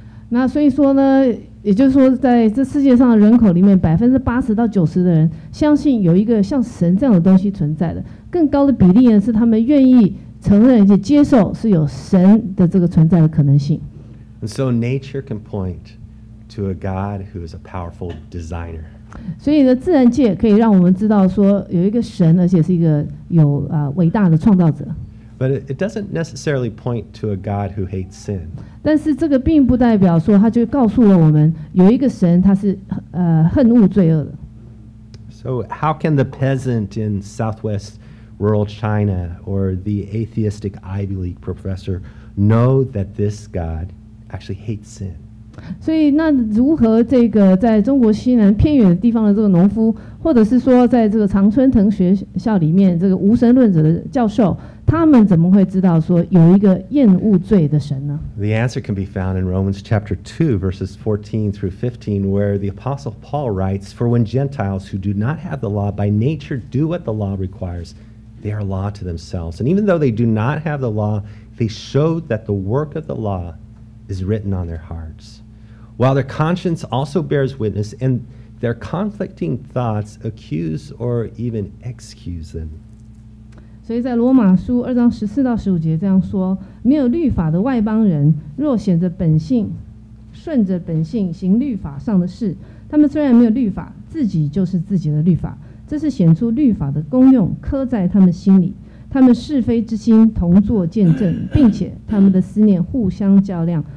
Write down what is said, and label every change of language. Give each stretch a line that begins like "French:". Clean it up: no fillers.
Chinese: 那所以说呢，也就是说，在这世界上的人口里面，80-90%的人相信有一个像神这样的东西存在的。更高的比例呢，是他们愿意承认且接受是有神的这个存在的可能性。
English: And so nature can point to a God who is a powerful designer.
Chinese: 所以呢，自然界可以让我们知道说有一个神，而且是一个有伟大的创造者。
English: But it doesn't necessarily point to a God who hates sin.
Chinese: 但是这个并不代表说他就告诉了我们有一个神，他是恨恶罪恶的。
English: So how can the peasant in southwest rural China or the atheistic Ivy League professor know that this God actually hates sin?
Chinese: 所以那如何这个在中国西南偏远的地方的这个农夫，或者是说在这个常春藤学校里面这个无神论者的教授，他们怎么会知道说有一个厌恶罪的神呢？
English: The answer can be found in Romans chapter 2 verses 14 through 15 where the apostle Paul writes, For when Gentiles who do not have the law by nature do what the law requires, they are law to themselves. And even though they do not have the law, they show that the work of the law is written on their hearts. While their conscience also bears witness, and their conflicting thoughts accuse or even excuse them.
Chinese: 所以在罗马书二章十四到十五节这样说：没有律法的外邦人，若显着本性，顺着本性行律法上的事，他们虽然没有律法，自己就是自己的律法。这是显出律法的功用，刻在他们心里。他们是非之心同作见证，并且他们的思念互相较量。